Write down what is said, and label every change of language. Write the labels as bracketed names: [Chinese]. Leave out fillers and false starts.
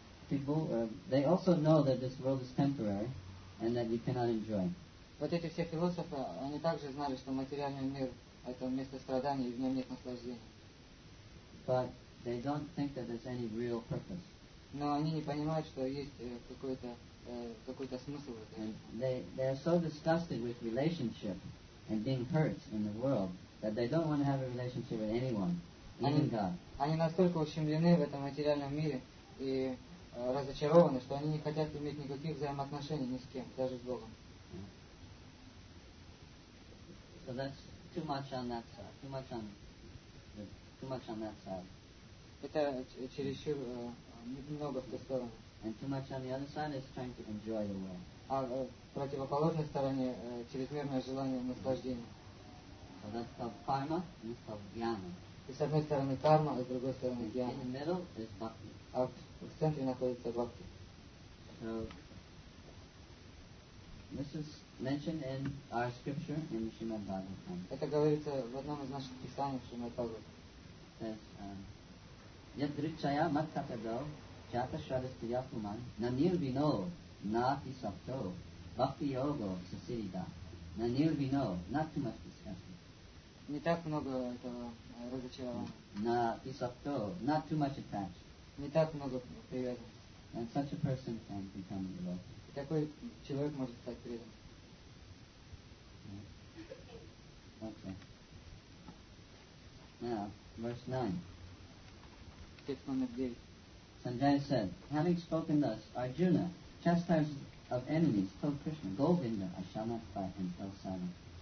[English] people, they also know that this world is temporary and that you cannot enjoy. [Russian] Вот эти все философы, они также знали, что материальный мир — это место страданий, и в нем нет наслаждения. [English] But they don't think that there's any real purpose. [Russian] Но они не понимают, что есть какой-то какой-то смысл в этом. [English] They are so disgusted with relationship and being hurt in the world that they don't want to have a relationship with anyone, even God. [Russian] Они настолько ущемлены в этом материальном мире и разочарованы, что они не хотят иметь никаких взаимоотношений ни с кем, даже с Богом. [English] So that's too much on that side. [Russian] Это чересчур много в ту сторону. [English] And too much on the other side is trying to enjoy the world. [Russian] А в противоположной стороне чрезмерное желание наслаждения. [English] So that's called karma, and it's called jnana. [Russian] И с одной стороны карма, а с другой стороны джняна. [English] In the middle is bhakti. [Russian] А в центре находится бхакти. [English] So this is mentioned in our scripture in the Shrimad Bhagavatam. [Russian] Это говорится в одном из наших писаний в Шримад Бхагаватам. [English] Says, [Sanskrit] Yadrichaya matkatado jata shradastriya puman nanir vino nati sapto bhakti yoga sasirida nanir vino nati mati sasirida. [Russian] Не так много этого разочарования. [English] Not is up to, not too much attached. [Russian] Не так много привязанности. [English] And such a person can become a devotee. [Russian] Такой человек может стать преданным. [English] Okay. Now, verse 9. Text number 9. Sanjaya said, having spoken thus, Arjuna, chastised of enemies, told Krishna, Govinda, Ashamatpa, and fell silent.